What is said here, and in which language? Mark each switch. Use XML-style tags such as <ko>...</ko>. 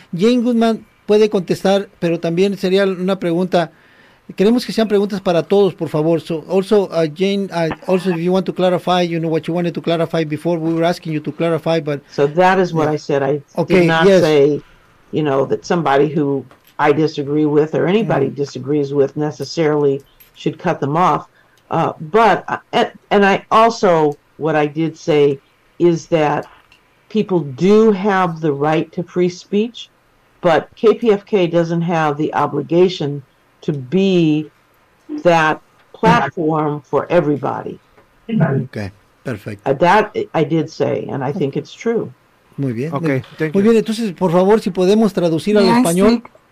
<es>Jane Goodman puede contestar, pero también sería una pregunta. Queremos que sean preguntas para todos, por favor.</es> <en>So also, Jane, if you want to clarify, you know what you wanted to clarify before, we were asking you to clarify. But so that is what I said. I did not say, you know, that somebody who I disagree with or anybody disagrees with necessarily should cut them off. What I did say is that people do have the right to free speech, but KPFK doesn't have the obligation to be that platform for everybody.</en> <es>Okay, perfecto.</es> <en>That I did say, and I think it's true. Muy bien. Okay, thank you.</en> <es>Entonces, por favor, si podemos traducir al español.</es>